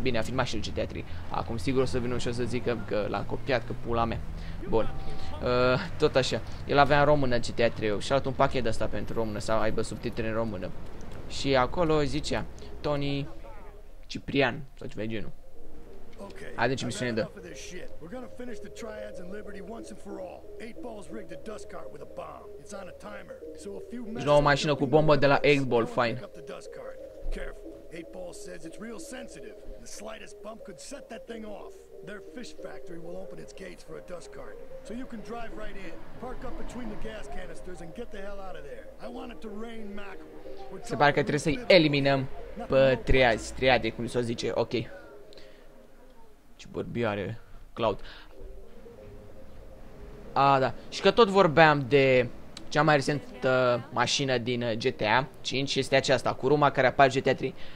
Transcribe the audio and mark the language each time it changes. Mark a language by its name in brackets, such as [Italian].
[Romanian] Bine, a filmat și GTA 3. Acum sigur o să vină și o să zică că l-am copiat, că pula mea. Bun. Tot așa. El avea în română GTA 3 și altul un pachet ăsta pentru română, sau aibă subtitre în română. Și acolo zicea Tony Ciprian, sau ceva genul. Okay. Adică misiune de. [English] We're going to finish the triads in Liberty once and for all. Eight Ball's rigged a dust cart with a bomb. It's on a timer. So a few minutes. [Romanian] Nouă mașină cu bombă de la Eight Ball, fine. [English] Careful. Eight Ball says it's real sensitive. The slightest bump could set that thing off. Their fish factory will open its gates for a dust cart. So you can drive right in. Park up between the gas canisters and get the hell out of there. I want it to rain mackerel. [Romanian] Se pare că trebuie să-i eliminăm pe triazi, triade, cum s-o zice. Ok. Ce bărbie are Cloud. A, da. Și că tot vorbeam de cea mai recentă mașină din GTA 5, este aceasta, cu Ruma care apare GTA 3.